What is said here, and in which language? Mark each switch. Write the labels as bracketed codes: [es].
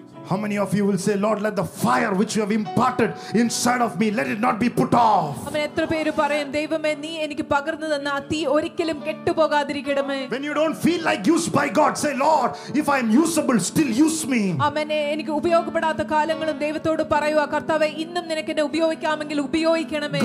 [en] How many of you will say, Lord, let the fire which you have imparted inside of me, let it not be put off. [ml] അമ്മേ എത്ര പേര് പറയും ദൈവമേ നീ എനിക്ക് പകർന്നു തന്ന ആ തീ ഒരിക്കലും കെട്ടുപോകാതിരിക്കണമേ. [en] When you don't feel like used by God, say, Lord, if I am usable, still use me. [ml] അമ്മേ എനിക്ക് ഉപയോഗപ്പെടാത്ത കാലങ്ങളും ദൈവത്തോട് പറയുക കർത്താവേ ഇന്നും നിനക്ക് എന്നെ ഉപയോഗിക്കാമെങ്കിൽ ഉപയോഗിക്കണമേ.